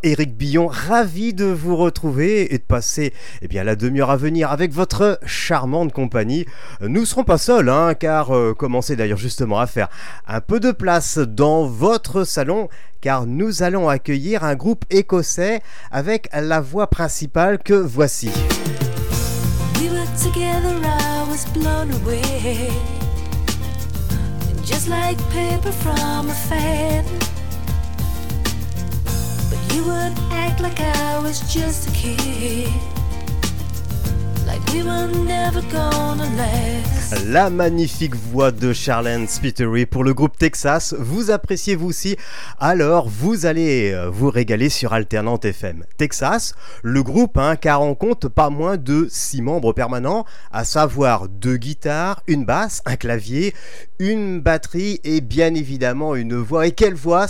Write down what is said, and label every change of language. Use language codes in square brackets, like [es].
[fr] Éric Billon, ravi de vous retrouver et de passer eh bien, la demi-heure à venir avec votre charmante compagnie. Nous ne serons pas seuls, hein, car commencez d'ailleurs justement à faire un peu de place dans votre salon, car nous allons accueillir un groupe écossais avec la voix principale que voici. [en] We were together, I was blown away. Just like paper from a fan. But you would act like I was just a kid. Like we were never gonna last. [fr] La magnifique voix de Charlene Spiteri pour le groupe Texas. Vous appréciez-vous aussi? Alors, vous allez vous régaler sur Alternante FM. Texas, le groupe, hein, car on compte pas moins de 6 membres permanents, à savoir 2 guitares, une basse, un clavier, une batterie et bien évidemment une voix. Et quelle voix?